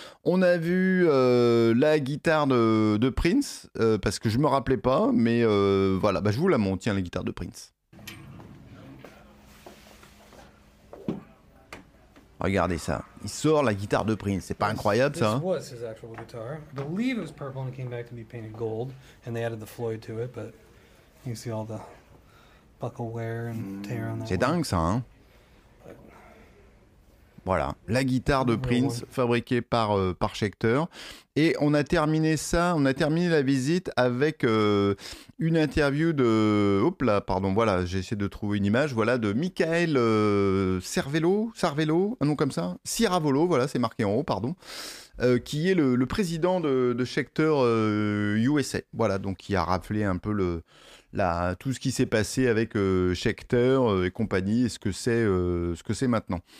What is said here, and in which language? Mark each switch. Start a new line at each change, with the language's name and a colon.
French: On a vu la guitare de Prince, parce que je ne me rappelais pas, mais voilà, bah, je vous la montre, tiens, la guitare de Prince. Regardez ça, il sort la guitare de Prince, c'est pas incroyable ça?
English: This was his actual guitar. I believe it was purple and it came back to be painted gold and they added the Floyd to it, but you see all the buckle wear and tear on that.
French: C'est dingue ça, hein? Voilà, la guitare de Prince fabriquée par par Schecter. Et on a terminé ça, on a terminé la visite avec une interview de, hop là, pardon, voilà, j'ai essayé de trouver une image, voilà, de Michael Cervello, un nom comme ça, Ciravolo, voilà, c'est marqué en haut, pardon, qui est le président de Schecter USA, voilà, donc qui a rappelé un peu tout ce qui s'est passé avec Schecter et compagnie, et ce que c'est maintenant.